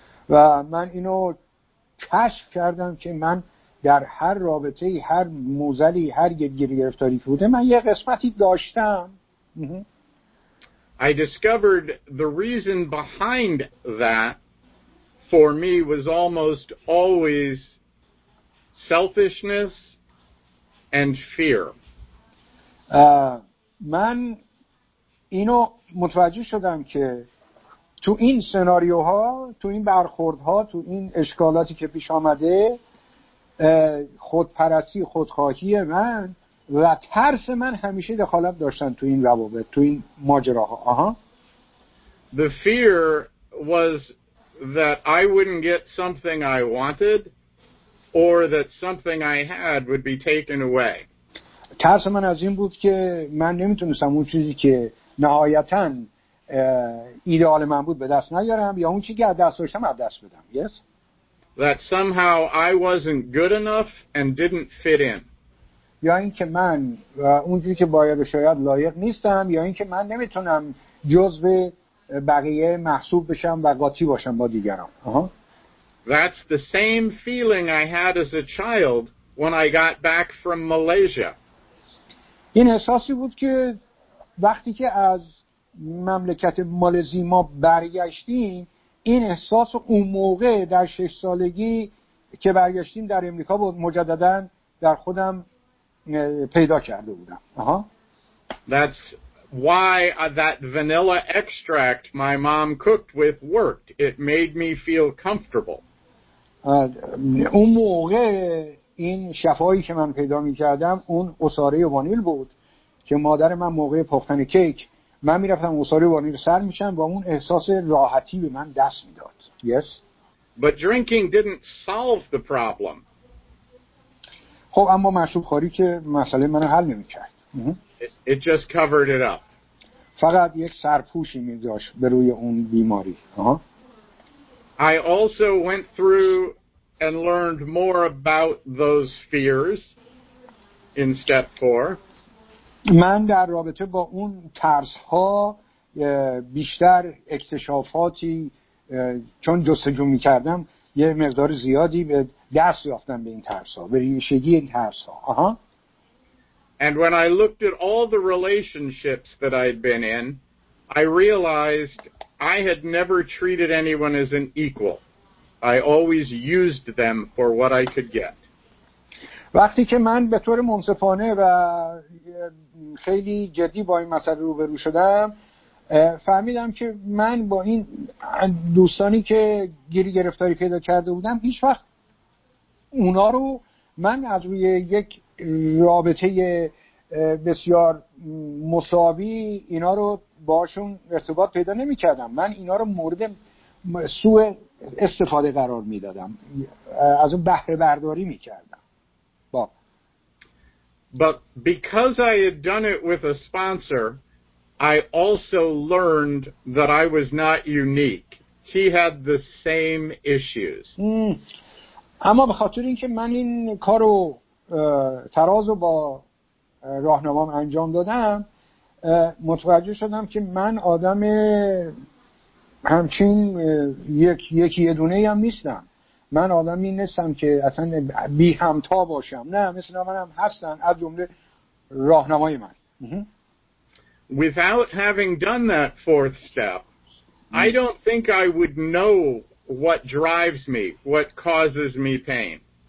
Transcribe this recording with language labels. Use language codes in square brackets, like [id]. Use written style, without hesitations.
[fa] و من اینو کشف کردم که من در هر رابطه‌ای، هر موزلی، هر گیری گرفتاری که بوده من یه قسمتی داشتم. [en] I discovered the reason behind that for me was almost always selfishness and fear. [fa] من اینو متوجه شدم که تو این سناریوها، تو این برخوردها، تو این اشکالاتی که پیش آمده خودپرستی، خودخواهی من و ترس من همیشه دخالت داشتن تو این روابط، تو این ماجراها. [en] The fear was that I wouldn't get something I wanted or that something I had would be taken away. [fa] ترس من از این بود که من نمیتونستم اون چیزی که نهایتاً ایدئال من بود به دست نیارم یا اون چیزی که از دست داشتم از دست بدم. [en] Yes? That somehow I wasn't good enough and didn't fit in. [fa] یا این که من اونجوری که باید و شاید لایق نیستم یا این که من نمیتونم جزء بقیه محسوب بشم و قاطی باشم با دیگران. [en] That's the same feeling I had as a child when I got back from Malaysia. [fa] این احساسی بود که وقتی که از مملکت مالزی ما برگشتیم این احساس اون موقع در 6 سالگی که برگشتیم در امریکا بود مجدداً در خودم پیدا کرده بودم. [en] That's why that vanilla extract my mom cooked with worked. It made me feel comfortable. [fa] اون موقع این شفایی که من پیدا می کردم اون عصاره وانیل بود که مادر من موقع پختن کیک من می رفتم عصاره وانیل سر می شم و اون احساس راحتی به من دست می داد. [en] Yes? But drinking didn't solve the problem. [fa] خب اما مشروب خوری که مسئله منو حل نمی کرد. [en] It just covered it up. [fa] فقط یک سرپوشی می داشت به روی اون بیماری. [en] I also went through and learned more about those fears in step 4. [fa] من در رابطه با اون ترس‌ها بیشتر اکتشافاتی چون جستجو می‌کردم یه مقدار زیادی به دست یافتم به این ترس‌ها، به ریشه‌ی این ترس‌ها. [en] And when I looked at all the relationships that I'd been in, I realized I had never treated anyone as an equal. I always used them for what I could get. [fa] وقتی که من به طور منصفانه و خیلی جدی با این مسئله روبرو شدم فهمیدم که من با این دوستانی که گیری گرفتاری پیدا کرده بودم هیچ وقت اونا رو من از روی یک رابطه بسیار مساوی اینا رو باشون ارتباط پیدا نمی کردم. من اینا رو مورد سوء استفاده قرار می دادم، از اون بهره برداری می کردم. [en] But because I had done it with a sponsor, I also learned that I was not unique. He had the same issues. [fa] اما به خاطر اینکه من این کارو ترازو با راهنمام انجام دادم متوجه شدم که من آدم همچین یکی دونه ای هم نیستم. من آدمی نیستم که اصلا بی همتا باشم. نه، مثل من هم هستن از جمله راهنمای من. [en] Without having done that fourth step, I don't think I would know what drives me, what causes me pain.